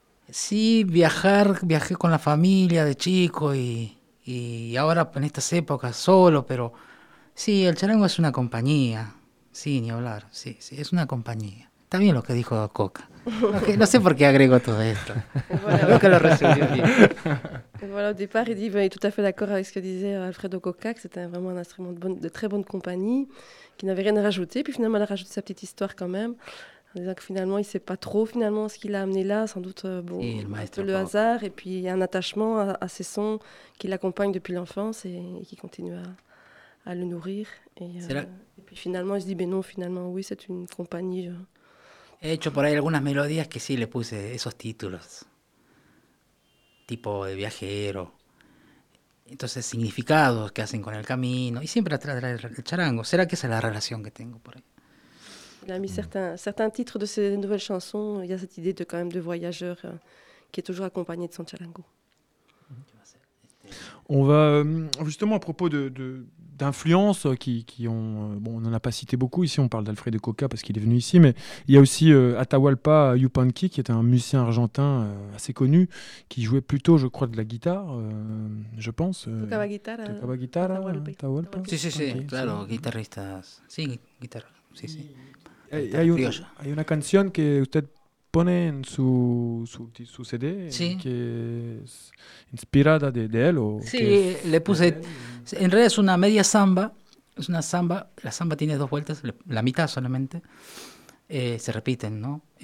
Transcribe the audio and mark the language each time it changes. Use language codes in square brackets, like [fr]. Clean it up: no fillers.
[es] Sí, viajé con la familia de chico y ahora en estas épocas solo, pero sí, el charango es una compañía. Sí, ni hablar. Sí, es una compañía. También lo que dijo Coca. Okay, no sé por qué agrego todo esto. [fr] Voilà. [es] Creo que lo resumí bien. [fr] Voilà, au départ, il dit qu'il est tout à fait d'accord avec ce que disait Alfredo Coca, que c'était vraiment un instrument de très bonne compagnie, qui n'avait rien à rajouter. Puis finalement, elle a rajouté sa petite histoire quand même, en disant que finalement, il ne sait pas trop finalement, ce qu'il a amené là. Sans doute, bon, si, un peu le hasard. Et puis, il y a un attachement à ces sons qui l'accompagnent depuis l'enfance et qui continue à le nourrir. Et puis finalement, il se dit, mais non, finalement, oui, c'est une compagnie. [es] He hecho por ahí algunas melodías que sí le puse esos títulos, tipo de viajero, entonces significados que hacen con el camino, y siempre atrás del charango. ¿Será que esa es la relación que tengo por ahí? [fr] Il a mis certains titres de ses nouvelles chansons, il y a cette idée de quand même de voyageur qui est toujours accompagné de son charango. On va justement à propos d'influences qui ont, bon, on n'en a pas cité beaucoup ici, on parle d'Alfredo Coca parce qu'il est venu ici, mais il y a aussi Atahualpa Yupanqui qui est un musicien argentin assez connu, qui jouait plutôt je crois de la guitare, je pense. [es] Tocaba guitarra, Atahualpa. Sí, sí, sí, claro, guitarristas, sí, guitarra, sí, sí. Hay una canción que usted pone en su CD, sí, que es inspirada de él. O sí, le puse, en realidad es una media samba, es una samba, la samba tiene dos vueltas, la mitad solamente, se repiten, ¿no?